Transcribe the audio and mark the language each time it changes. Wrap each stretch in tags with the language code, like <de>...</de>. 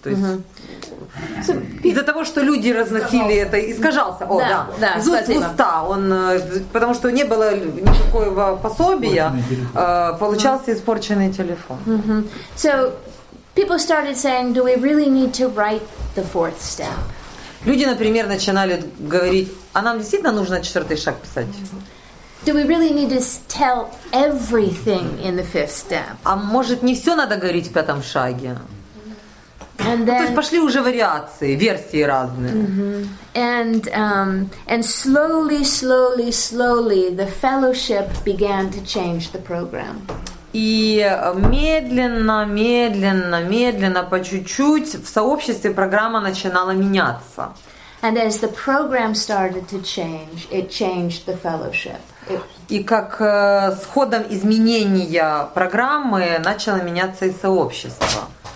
<ru>То есть из-за того, что люди разносили это, искажался. О, да. Уста, он, потому что не было никакого пособия, получался испорченный телефон.</ru> <en>So people started saying, do we really need to write the fourth step?</en> <ru>Люди, например, начинали говорить, а нам действительно нужно четвертый шаг писать?</ru> <en>Do we really need to tell everything in the fifth step?</en> <ru>А может, не все надо говорить в пятом шаге?</ru> <en>And then,</en> <ru>то есть пошли уже вариации, версии разные.</ru> <en>And slowly, slowly, slowly the fellowship began to change the program.</en> <ru>И медленно, медленно, медленно, по чуть-чуть в сообществе программа начинала меняться.</ru> <en>And as the program started to change, it changed the fellowship.</en> <ru>И как с ходом изменения программы начало меняться и сообщество.</ru>